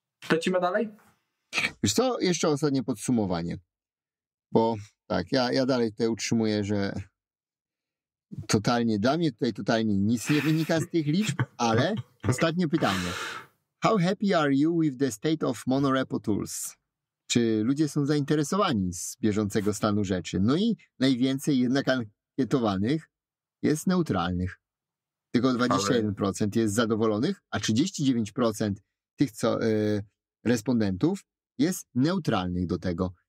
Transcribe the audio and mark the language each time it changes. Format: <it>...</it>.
<pl>Lecimy dalej? Wiesz co, jeszcze ostatnie podsumowanie, bo tak, ja dalej tutaj utrzymuję, że totalnie, dla mnie tutaj totalnie nic nie wynika z tych liczb, ale ostatnie pytanie.</pl> <en>How happy are you with the state of Monorepo tools?</en> <pl>Czy ludzie są zainteresowani z bieżącego stanu rzeczy? No i najwięcej jednak ankietowanych jest neutralnych. Tylko 21% jest zadowolonych, a 39% tych co respondentów jest neutralnych do tego.</pl>